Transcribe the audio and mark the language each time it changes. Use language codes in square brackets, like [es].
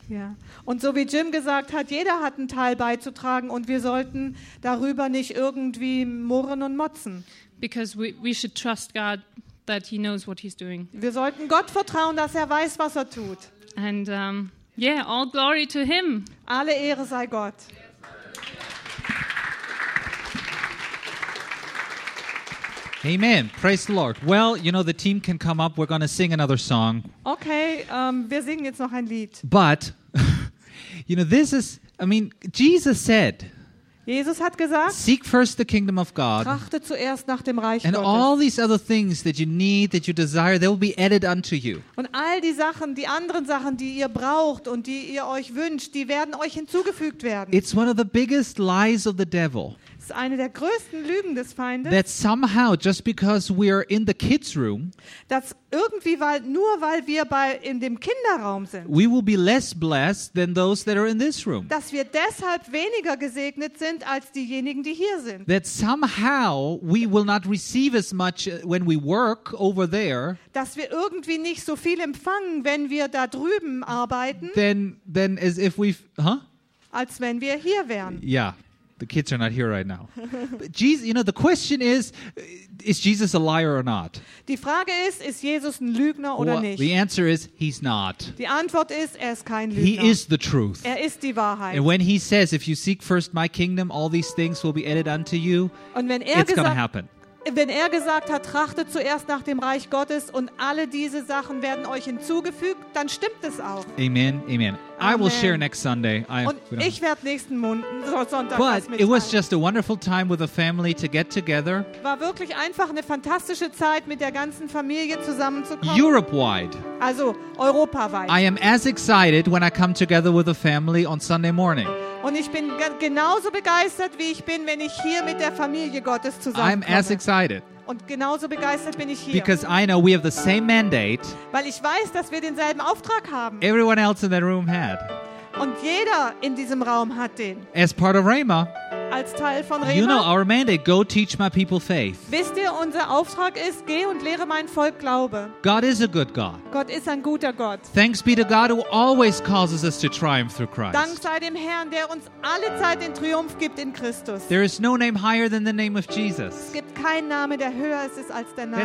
[de] Yeah. Und so wie Jim gesagt hat, jeder hat einen Teil beizutragen und wir sollten darüber nicht irgendwie murren und motzen. [en] Because we should trust God that he knows what he's doing. [de] Wir sollten Gott vertrauen, dass er weiß, was er tut. [en] And yeah, all glory to him. [de] Alle Ehre sei Gott. [en] Amen. Praise the Lord. Well, you know, the team can come up. We're going to sing another song. [de] Okay, wir singen jetzt noch ein Lied. [en] But, you know, this is, I mean, Jesus said, [de] Jesus hat gesagt, [en] seek first the kingdom of God. [de] Trachte zuerst nach dem Reich [en] and [de] Gottes. [en] All these other things that you need, that you desire, they will be added unto you. [de] Und all die Sachen, die anderen Sachen, die ihr braucht und die ihr euch wünscht, die werden euch hinzugefügt werden. [en] It's one of the biggest lies of the devil. [de] Eine der größten Lügen des Feindes. [en] That somehow, just because we are in the kids' room, [de] dass irgendwie nur weil wir in dem Kinderraum sind, [en] we will be less blessed than those that are in this room. [de] Dass wir deshalb weniger gesegnet sind als diejenigen, die hier sind. [en] That somehow we will not receive as much when we work over there. [de] Dass wir irgendwie nicht so viel empfangen, wenn wir da drüben arbeiten. [en] Then as if we, [de] als wenn wir hier wären. [en] Ja. Yeah. The kids are not here right now. But Jesus, you know, the question is Jesus a liar or not? [de] Die Frage ist Jesus ein Lügner oder nicht? [en] The answer is he's not. [de] Die Antwort ist, ist kein Lügner. [en] He is the truth. [de] Ist die Wahrheit. [en] And when he says, if you seek first my kingdom, all these things will be added unto you, [de] und wenn [en] it's going to happen. [de] Wenn gesagt hat, trachte zuerst nach dem Reich Gottes und alle diese Sachen werden euch hinzugefügt, dann stimmt es auch. [en] Amen, amen. Amen. I will share next Sunday. [de] Ich werde nächsten Sonntag. [en] But it was just a wonderful time with the family to get together. [de] War wirklich einfach eine fantastische Zeit mit der ganzen Familie zusammenzukommen. [en] Europe-wide. [de] Also europaweit. [en] I am as excited when I come together with the family on Sunday morning. [de] Und ich bin genauso begeistert, wie ich bin, wenn ich hier mit der Familie Gottes zusammenkomme. [en] I'm as excited. [de] Und genauso begeistert bin ich hier. [en] Because I know we have the same mandate. [de] Weil ich weiß, dass wir denselben Auftrag haben. [en] Everyone else in that room had. [de] Und jeder in diesem Raum hat den. [en] As part of Rhema. [de] Als Teil von Rhema. [en] You know our mandate, go teach my people faith. [de] Wisst ihr, unser Auftrag ist, geh und lehre mein Volk Glaube. [en] God is a good God. [de] Gott ist ein guter Gott. [en] Thanks be to God who always causes us to triumph through Christ. [de] Dank sei dem Herrn, der uns alle Zeit den Triumph gibt in Christus. [en] There is no name higher than the name of Jesus. [de] Es gibt keinen Namen, der höher ist als der Name